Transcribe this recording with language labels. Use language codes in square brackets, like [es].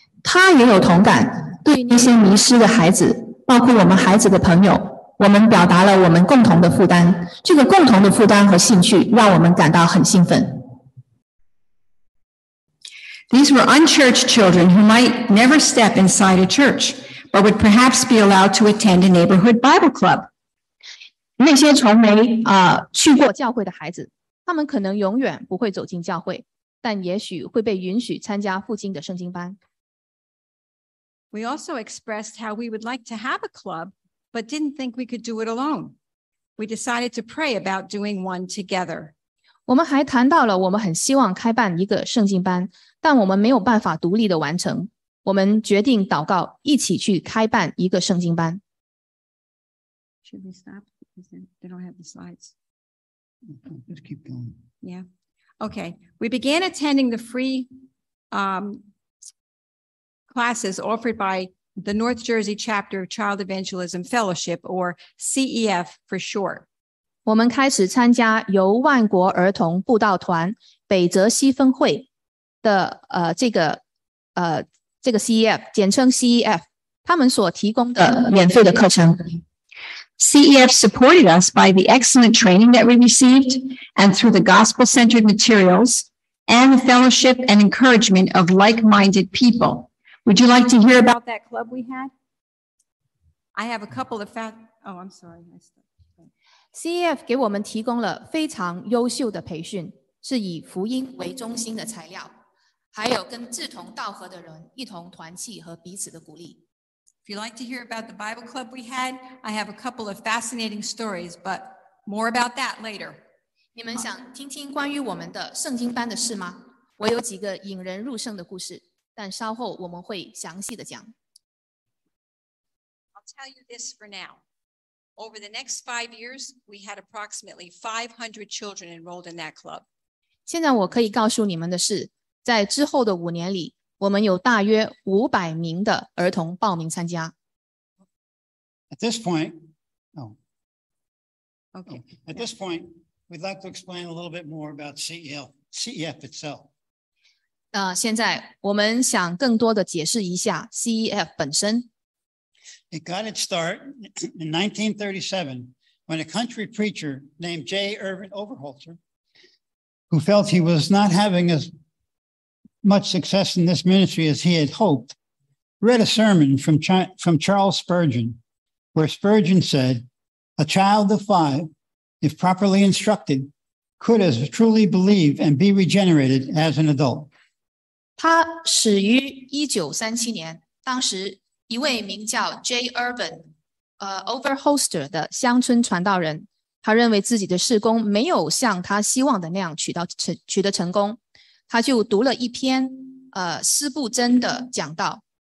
[zh] 她也有同感，对那些迷失的孩子，包括我们孩子的朋友，我们表达了我们共同的负担。这个共同的负担和兴趣让我们感到很兴奋。 [en] These were unchurched children who might never step inside a church, but would perhaps be allowed to attend a neighborhood Bible club. [zh] 那些从没去过教会的孩子，他们可能永远不会走进教会，但也许会被允许参加附近的圣经班。 [en] We also expressed how we would like to have a club, but didn't think we could do it alone. We decided to pray about doing one together. [zh] 我们还谈到了我们很希望开办一个圣经班，但我们没有办法独立的完成。我们决定祷告一起去开办一个圣经班。 [en] Should we stop? They don't have the slides. Let's keep going. Yeah. Okay. We began attending the free classes offered by the North Jersey Chapter of Child Evangelism Fellowship, or CEF for short. [zh] 我们开始参加由万国儿童布道团北泽西分会的这个 CEF， 简称 CEF， 他们所提供的免费的课程。 [en] CEF supported us by the excellent training that we received and through the gospel-centered materials and the fellowship and encouragement of like-minded people. Would you like to hear about that club we had? I have a couple of facts. Oh, I'm sorry. [zh] CEF 给我们提供了非常优秀的培训，是以福音为中心的材料，还有跟志同道合的人一同团契和彼此的鼓励。 [en] If you'd like to hear about the Bible club we had, I have a couple of fascinating stories, but more about that later. [zh] 你们想听听关于我们的圣经班的事吗？我有几个引人入胜的故事，但稍后我们会详细的讲。 [en] I'll tell you this for now. Over the next 5 years, we had approximately 500 children enrolled in that club. [zh] 现在我可以告诉你们的是，在之后的五年里，我们有大约500名的儿童报名参加。 [en] At this point, we'd like to explain a little bit more about CEF itself. [zh] 现在我们想更多的解释一下 CEF 本身。 [en] It got its start in 1937 when a country preacher named J. Irvin Overholtzer, who felt he was not having as much success in this ministry as he had hoped, read a sermon from Charles Spurgeon, where Spurgeon said, "A child of five, if properly instructed, could as truly believe and be regenerated as an adult." [zh] 他始于1937年，当时一位名叫 J. Irvin Overholtzer 的乡村传道人，他认为自己的事工没有像他希望的那样取得成功，他就读了一篇斯布珍的讲道。